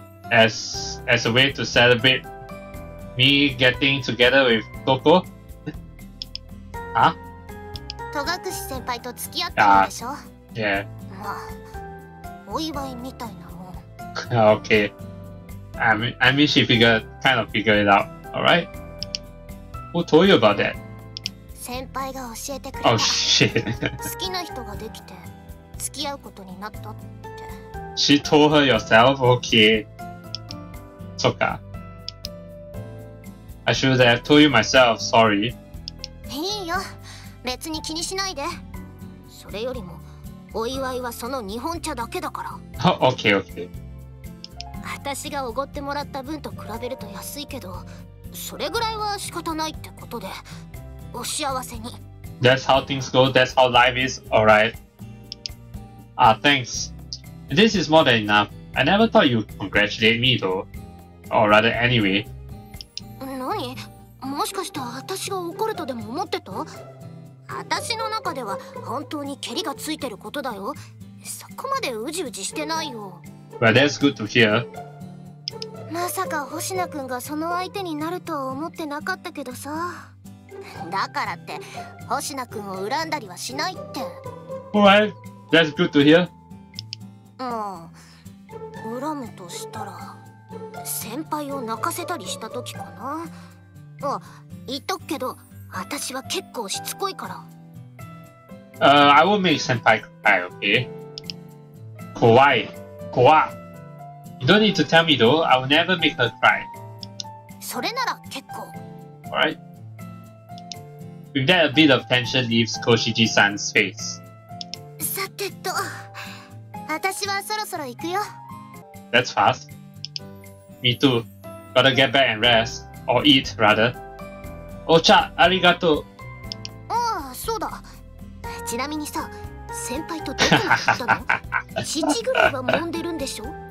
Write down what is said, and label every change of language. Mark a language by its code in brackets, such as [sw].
[en] As a way to celebrate me getting together with Touko? huh? [ja] 戸隠先輩と付き合ったんでしょ、 [en] yeah. [ja] まあ、お祝いみたいなもん。 [en] OK. I mean she kind of figured it out, alright? Who told you about that? [ja] 先輩が教えてくれた。 [en] Oh, shit. [ja] 好きな人ができて、付き合うことになったって。 [en] She told her yourself? OK. [ja] そっか。 [en] I should have told you myself, sorry. [ja] いいよ。別に気にしないで。それよりもお祝いはその日本茶だけだから。 [en] OK OK。 [ja] 私がおごってもらった分と比べると安いけど、それぐらいは仕方ないってことで。お幸せに。 [en] That's how things go. That's how life is. All right. Ah, thanks. This is more than enough. I never thought you'd congratulate me, though. Or rather, anyway. [ja] 何? もしかして私が怒るとでも思ってた?私の中では本当にケリがついてることだよ。そこまでうじうじしてないよ。 [en] Well, that's good to hear. [ja] まさか星名くんがその相手になるとは思ってなかったけどさ。だからって星名くんを恨んだりはしないって。 [en] Alright, that's good to hear. [ja] まあ、恨むとしたら先輩を泣かせたりした時かな。あ、言っとくけど。私は結構しつこいから。 [en] I won't make senpai cry, okay? [ja] 怖い。怖い。 [en] You don't need to tell me though, I will never make her cry. [ja] それなら結構。 [en] Alright. With that, a bit of tension leaves Koshiji-san's face. [ja] さてと、私はそろそろ行くよ。 [en] That's fast. Me too. Gotta get back and rest. Or eat, rather. [ja] お茶、ありがとう。ああ、そうだ。ちなみにさ、先輩とどこに行ったの?7 ぐらいは揉んでるんでしょ?